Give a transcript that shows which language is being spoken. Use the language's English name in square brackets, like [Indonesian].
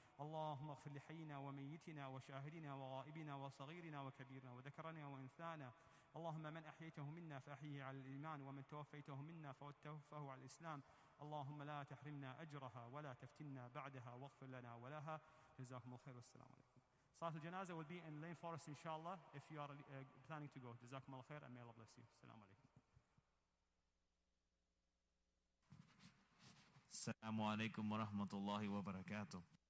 [Arabic] اللهم اغفر لحينا وميتنا وشاهدنا وغائبنا وصغيرنا وكبيرنا وذكرنا وإنثانا. اللهم من أحييته منا فأحييه على الإيمان ومن توفيته منا فتوفه على الإسلام. اللهم لا تحرمنا أجرها ولا تفتنا بعدها واغفر لنا ولها جزاكم الخير والسلام عليكم. صلاة الجنازة [English] will be in Lane Forest [Arabic] إن شاء الله [English] if you are planning to go. [Arabic] جزاكم الله خير [English] and may Allah bless you. [Arabic] السلام عليكم. السلام عليكم ورحمة الله وبركاته.